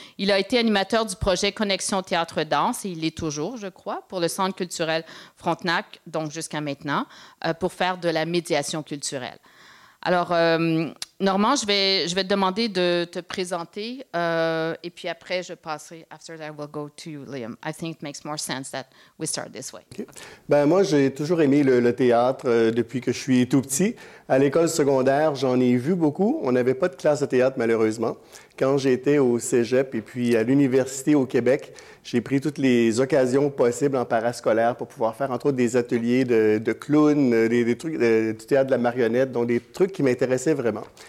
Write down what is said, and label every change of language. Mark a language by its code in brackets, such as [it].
[fr] Il a été animateur du projet Connexion Théâtre Danse, et il l'est toujours, je crois, pour le Centre culturel Frontenac, donc jusqu'à maintenant, pour faire de la médiation culturelle. Alors, Normand, je vais te demander de te présenter, et puis après, je passerai. [en] After that, I will go to you, Liam. I think it makes more sense that we start this way. Okay. [fr] Ben moi, j'ai toujours aimé le théâtre depuis que je suis tout petit. À l'école secondaire, j'en ai vu beaucoup. On n'avait pas de classe de théâtre, malheureusement. Quand j'étais au cégep et puis à l'université au Québec, j'ai pris toutes les occasions possibles en parascolaire pour pouvoir faire, entre autres, des ateliers de clowns, des trucs du théâtre de la marionnette, donc des trucs qui m'intéressaient vraiment.